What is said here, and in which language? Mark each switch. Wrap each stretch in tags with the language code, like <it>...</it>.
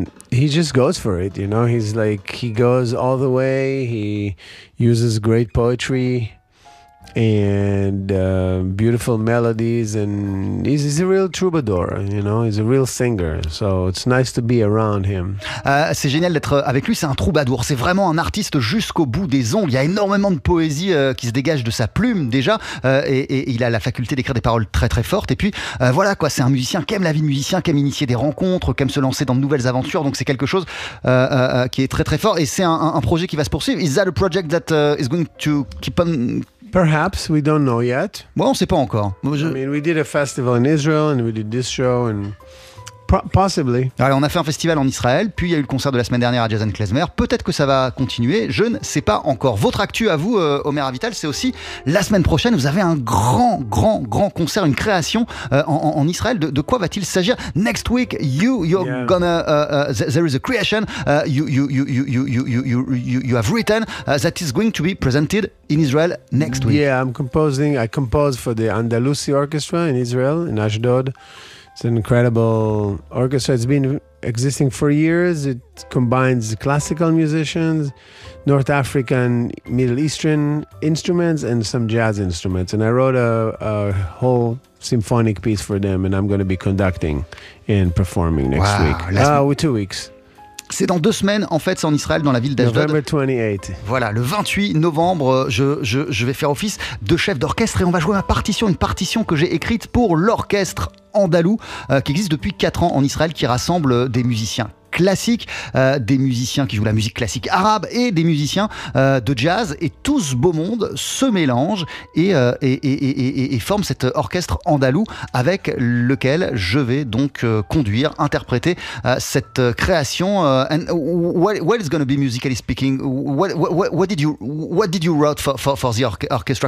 <en>He just goes for it, you know. He's like, he goes all the way. He uses great poetry and beautiful melodies, and he's a real troubadour, you know. He's a real singer, so it's nice to be around him.</en> <fr>C'est génial d'être avec lui. C'est un troubadour, c'est vraiment un artiste jusqu'au bout des ongles. Il y a énormément de poésie qui se dégage de sa plume déjà, et il a la faculté d'écrire des paroles très très fortes. Et puis voilà quoi, c'est un musicien qui aime la vie de musicien, qui aime initier des rencontres, qui aime se lancer dans de nouvelles aventures. Donc c'est quelque chose qui est très très fort, et c'est un projet qui va se poursuivre.</fr> <en>Is that a project that is going to keep on? Perhaps, we don't know yet.</en> <fr>Bon, on sait pas encore.</fr> <en>I mean, we did a festival in Israel and we did this show, and Possibly.</en> <fr>Alors, on a fait un festival en Israël, puis il y a eu le concert de la semaine dernière à Jazz & Klezmer. Peut-être que ça va continuer, je ne sais pas encore. Votre actu à vous, Omer Avital, c'est aussi la semaine prochaine, vous avez un grand, grand, grand concert, une création en Israël. De quoi va-t-il s'agir?</fr> <en>Next week, there is a creation you have written that is going to be presented in Israel next week. Yeah, I'm composing. I compose for the Andalusi Orchestra in Israel, in Ashdod. It's an incredible orchestra. It's been existing for years. It combines classical musicians, North African, Middle Eastern instruments, and some jazz instruments. And I wrote a whole symphonic piece for them, and I'm going to be conducting and performing next week. With 2 weeks.</en> <fr>C'est dans 2 semaines, en fait, c'est en Israël, dans la ville d'Ashdod.</fr> <en>November 28.</en> <fr>Voilà, le 28 novembre, je vais faire office de chef d'orchestre et on va jouer ma partition, une partition que j'ai écrite pour l'orchestre andalou qui existe depuis 4 ans en Israël, qui rassemble des musiciens classiques, des musiciens qui jouent la musique classique arabe et des musiciens de jazz. Et tout ce beau monde se mélange et forme cet orchestre andalou avec lequel je vais donc conduire, interpréter cette création.</fr> <en>And what is going to be musically speaking? What did you write for the orchestra?</en>